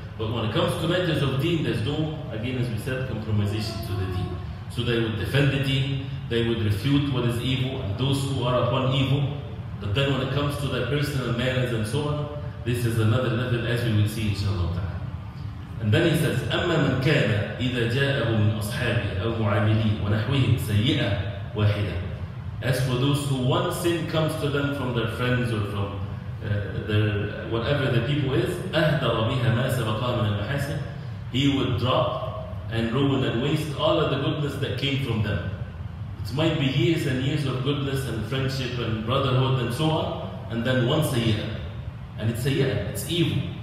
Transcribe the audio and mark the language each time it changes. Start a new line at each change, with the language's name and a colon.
English: But when it comes to matters of deen, there's no, again as we said, compromisation to the deen. So they would defend the deen, they would refute what is evil and those who are upon evil. But then when it comes to their personal manners and so on, this is another level as we will see inshallah ta'ala. And then he says,
Arabic: أَمَّا مَنْ كَانَ إِذَا جَاءَهُ مِنْ أَصْحَابِهِ أَوْ مُعَامِلِهِ وَنَحْوِهِمْ سَيِّئَةً وَاحِدًا.
English: As for those who one sin comes to them from their friends or from their whatever the people is,
Arabic: أَهْدَرَ بِهَا مَا سَبَقَى مِنَ الْمَحَاسِنِ,
English: he would drop and ruin and waste all of the goodness that came from them. It might be years and years of goodness and friendship and brotherhood and so on, and then once a year, and it's a year, it's evil.